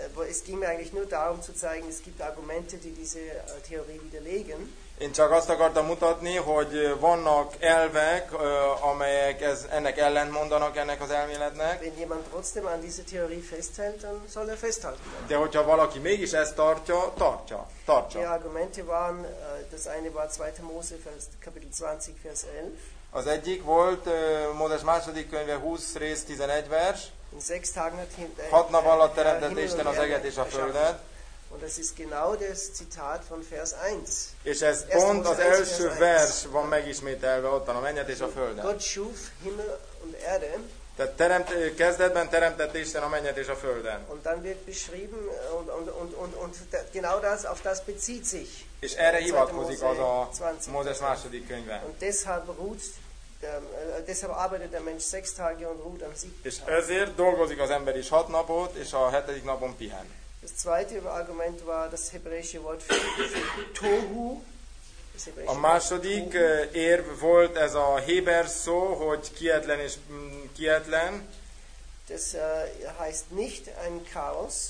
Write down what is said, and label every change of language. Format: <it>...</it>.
<de>Es ging mir eigentlich nur darum zu zeigen, es gibt Argumente, die diese Theorie widerlegen.</de> <hu>Én csak azt akartam mutatni, hogy vannak elvek, amelyek ennek ellen mondanak, ennek az elméletnek.</hu> <de>Wenn jemand trotzdem an diese Theorie festhält, dann soll er festhalten.</de> <hu>De hogyha valaki mégis ezt tartja, tartja.</hu> <de>Die Argumente waren, das eine war 2. Mose, Kapitel 20, Vers 11.</de> <hu>Az egyik volt Mózes második könyve 20 rész 11 vers.</hu> <de>In 6 Tagen hat</de> <hu>hat nap alatt teremtett Isten az eget és a földet.</hu> <de>Und das ist genau das Zitat von Vers 1.</de> <hu>És ez pont az első vers van megismételve ottan a mennyet és a földet.</hu> <de>Gott schuf Himmel und Erde.</de> <hu>Tehát kezdetben teremtett Isten a mennyet és a földet.</hu> <de>Und dann wird beschrieben und genau das auf das bezieht sich.</de> <hu>És erre hivatkozik az a Mózes második könyve.</hu> <de>Und deshalb deshalb arbeitet der Mensch 6 Tage und ruht am 7.</de> <hu>És ezért dolgozik az ember is 6 napot és a 7. napon pihen.</hu> <de>Das zweite Argument war das hebräische Wort für Tohu.</de> <hu>A második érv volt ez a héber szó, hogy kietlen és kietlen.</hu> <de>Das heißt nicht ein Chaos.</de>